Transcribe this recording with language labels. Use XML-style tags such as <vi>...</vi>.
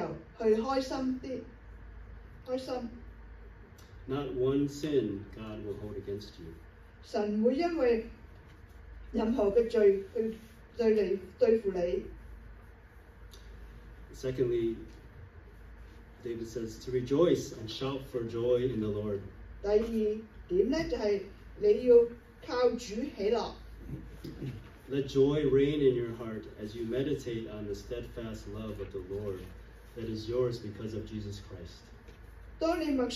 <zh>如果你所有的罪都被赦免了,过去,现在,或者同埋未来,你就有很多理由去开心的,开心。</zh> <en>Not one sin God will hold against you.</en> <zh>神会因为任何的罪去对你,对付你。</zh> <en>Secondly, David says, to rejoice and shout for joy in the Lord.</en> <zh>第二点呢,就是你要靠主喜乐。</zh> <en>Let joy reign in your heart as you meditate on the steadfast love of the Lord that is yours because of Jesus Christ.</en>